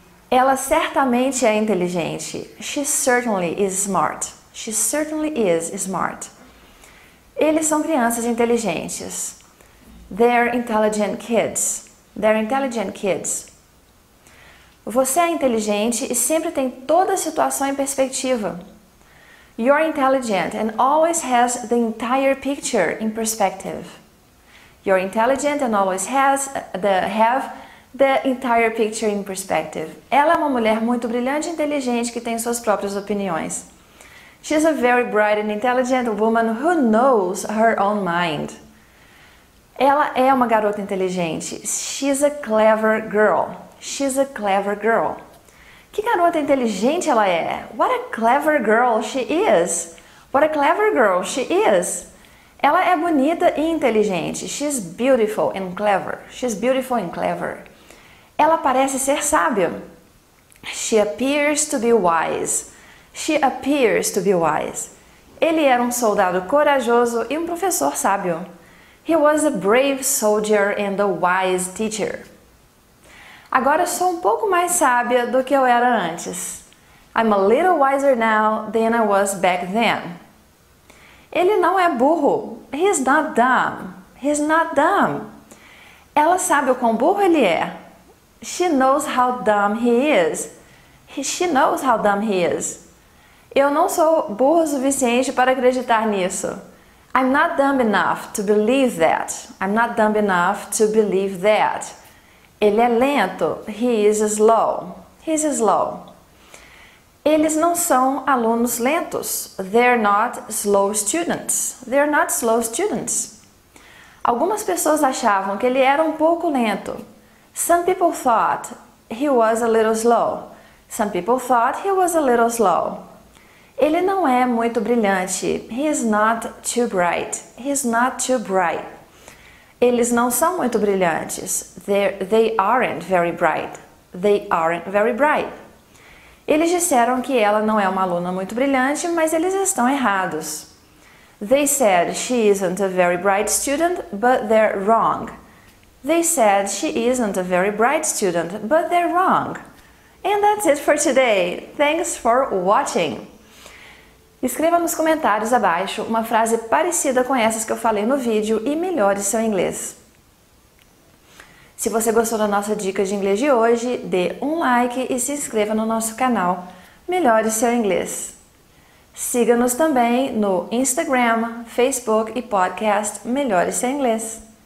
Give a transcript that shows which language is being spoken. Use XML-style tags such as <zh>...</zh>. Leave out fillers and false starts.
<pt>Ela certamente é inteligente.</pt> <en>She certainly is smart. She certainly is smart.</en> <pt>Eles são crianças inteligentes.</pt> <en>They're intelligent kids. They're intelligent kids.</en> <pt>Você é inteligente e sempre tem toda a situação em perspectiva.</pt> <en>You're intelligent and always has the entire picture in perspective. You're intelligent and always have the entire picture in perspective.</en> <pt>Ela é uma mulher muito brilhante e inteligente que tem suas próprias opiniões.</pt> <en>She's a very bright and intelligent woman who knows her own mind.</en> <pt>Ela é uma garota inteligente.</pt> <en>She's a clever girl. She's a clever girl.</en> <pt>Que garota inteligente ela é?</pt> <en>What a clever girl she is. What a clever girl she is.</en> <pt>Ela é bonita e inteligente.</pt> <en>She's beautiful and clever. She's beautiful and clever.</en> <pt>Ela parece ser sábia.</pt> <en>She appears to be wise. She appears to be wise.</en> <pt>Ele era um soldado corajoso e um professor sábio.</pt> <en>He was a brave soldier and a wise teacher.</en> <pt>Agora sou um pouco mais sábia do que eu era antes.</pt> <en>I'm a little wiser now than I was back then.</en> <pt>Ele não é burro.</pt> <en>He's not dumb. He's not dumb.</en> <pt>Ela sabe o quão burro ele é.</pt> <en>She knows how dumb he is. She knows how dumb he is.</en> <pt>Eu não sou burro o suficiente para acreditar nisso.</pt> <en>I'm not dumb enough to believe that. I'm not dumb enough to believe that.</en> <pt>Ele é lento.</pt> <en>He is slow. He's slow.</en> <pt>Eles não são alunos lentos.</pt> <en>They're not slow students. They're not slow students.</en> <pt>Algumas pessoas achavam que ele era um pouco lento.</pt> <en>Some people thought he was a little slow. Some people thought he was a little slow.</en> <pt>Ele não é muito brilhante.</pt> <en>He is not too bright. He is not too bright.</en> <pt>Eles não são muito brilhantes.</pt> <en>They aren't very bright. They aren't very bright.</en> <pt>Eles disseram que ela não é uma aluna muito brilhante, mas eles estão errados.</pt> <en>They said she isn't a very bright student, but they're wrong. They said she isn't a very bright student, but they're wrong. And that's it for today. Thanks for watching.</en> <pt>Escreva nos comentários abaixo uma frase parecida com essas que eu falei no vídeo e melhore seu inglês. Se você gostou da nossa dica de inglês de hoje, dê um like e se inscreva no nosso canal. Melhore seu inglês. Siga-nos também no Instagram, Facebook e podcast Melhore seu inglês.</pt>